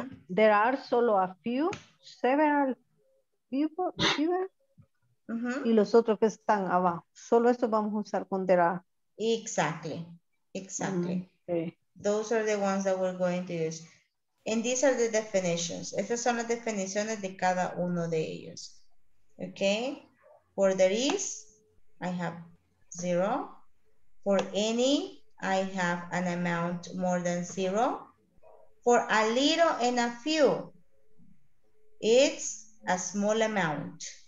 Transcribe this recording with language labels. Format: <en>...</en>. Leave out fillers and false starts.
<en>There are</en> <es>solo</es> <en>a few, several people,</en> <es>y los otros que están abajo. Solo eso vamos a usar con there are.</es> <en>Exactly. Exactly. Okay. Those are the ones that we're going to use. And these are the definitions.</en> <es>Estas son las definiciones de cada uno de ellos.</es> <en>Okay. For there is, I have zero. For any, I have an amount more than zero. For a little and a few, it's a small amount.</en>